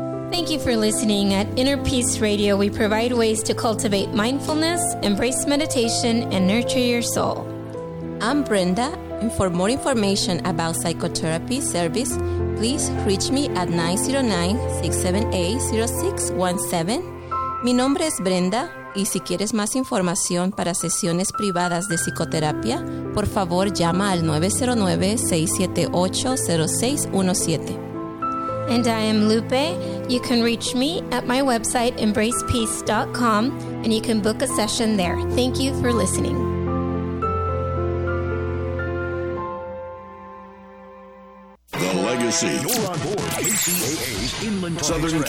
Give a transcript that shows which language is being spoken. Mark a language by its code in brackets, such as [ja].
[en] Thank you for listening. At Inner Peace Radio, we provide ways to cultivate mindfulness, embrace meditation, and nurture your soul. I'm Brenda, and for more information about psychotherapy service, please reach me at 909-678-0617. [es] Mi nombre es Brenda, y si quieres más información para sesiones privadas de psicoterapia, por favor llama al 909-678-0617. [en] And I am Lupe. You can reach me at my website, embracepeace.com, and you can book a session there. Thank you for listening. You're on board KCAA's Inland Talk Southern Express.